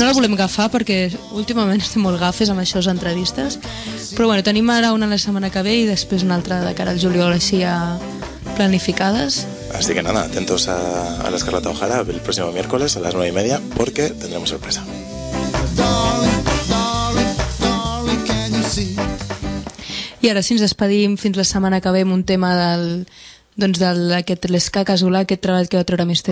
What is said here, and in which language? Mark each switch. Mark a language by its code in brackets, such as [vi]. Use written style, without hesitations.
[ca] No la volem agafar perquè últimament estem molt gafes amb aquestes entrevistes, però bueno, tenim ara una la setmana que ve i després una altra de cara al juliol així ja planificades. [es] Así que nada, atentos a la Escarlata Ojara el próximo miércoles a las 9:30 porque tendremos sorpresa. [ca] I ara sí, ens despedim fins la setmana que ve amb un tema d'aquest doncs l'Esca Casolà, aquest treball que va treure Mr.